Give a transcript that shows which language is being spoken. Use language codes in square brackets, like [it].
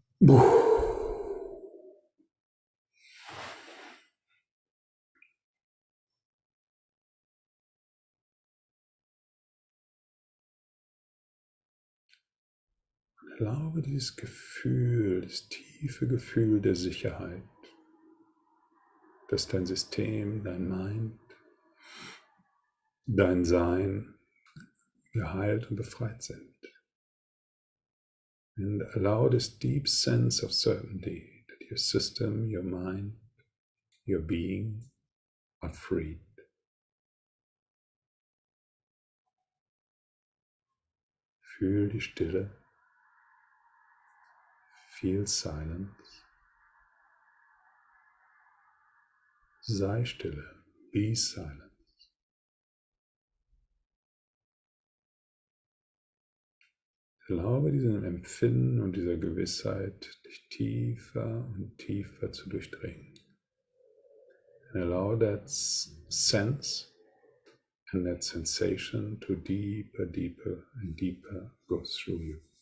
[de] Und erlaube dieses Gefühl, das tiefe Gefühl der Sicherheit, dass dein System, dein Mind, dein Sein geheilt und befreit sind. [en] And allow this deep sense of certainty that your system, your mind, your being are freed. [de] Fühl die Stille. [en] Feel silence. [de] Sei Stille. [en] Be silent. [de] Erlaube diesem Empfinden und dieser Gewissheit, dich tiefer und tiefer zu durchdringen. [en] And allow that sense and that sensation to deeper, deeper and deeper go through you.